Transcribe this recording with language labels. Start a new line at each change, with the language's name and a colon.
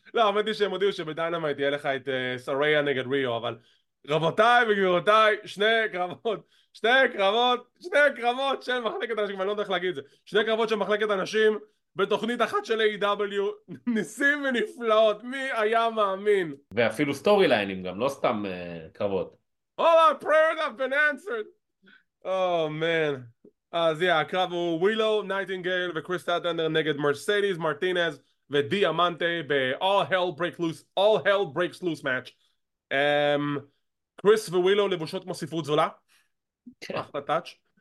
Hebrew: לא, האמת היא שהם הודיעו שבדיינמייט יהיה לך את סריה נגד ריו, אבל רבותיי וגבירותיי, שני קרבות של מחלקת אנשים, אני לא יודע איך להגיד את זה, שני קרבות של מחלקת אנשים בתוכנית אחת של AEW, ניסים ונפלאות, מי היה מאמין? ואפילו סטורי ליינים גם, לא סתם קרבות.
English: All our prayers have been answered! Oh man.
Hebrew: אז יא, הקרב הוא ווילו, נייטינגייל וקריס סטאטנדר נגד מרסדיס, מרטינז ודיאמנטה ב-All Hell Breaks Loose, All Hell Breaks Loose match. קריס וווילו לבושות כמו ספרות זולה. אחלה טאץ'.